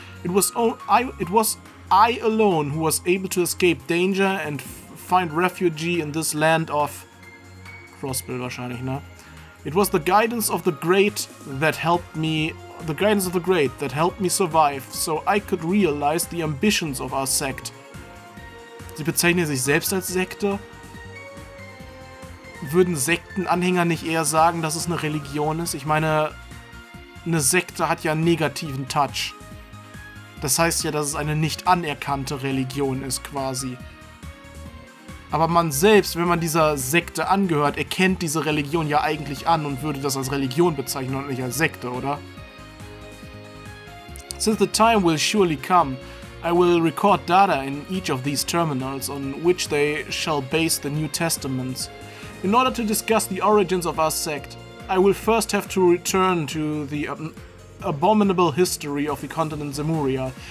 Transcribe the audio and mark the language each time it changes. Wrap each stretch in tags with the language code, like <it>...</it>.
<en>It was I alone who was able to escape danger and find refuge in this land of</en> <de>Crossbill, wahrscheinlich, ne?</de> <en>It was the guidance of the Great that helped me. The guidance of the Great that helped me survive, so I could realize the ambitions of our sect.</en> <de>Sie bezeichnen sich selbst als Sekte? Würden Sektenanhänger nicht eher sagen, dass es eine Religion ist? Ich meine, eine Sekte hat ja einen negativen Touch. Das heißt ja, dass es eine nicht anerkannte Religion ist, quasi. Aber man selbst, wenn man dieser Sekte angehört, erkennt diese Religion ja eigentlich an und würde das als Religion bezeichnen und nicht als Sekte, oder?</de> <en>Since the time will surely come, I will record data in each of these terminals on which they shall base the new testaments. In order to discuss the origins of our sect, I will first have to return to the abominable history of the continent Zemuria.</en>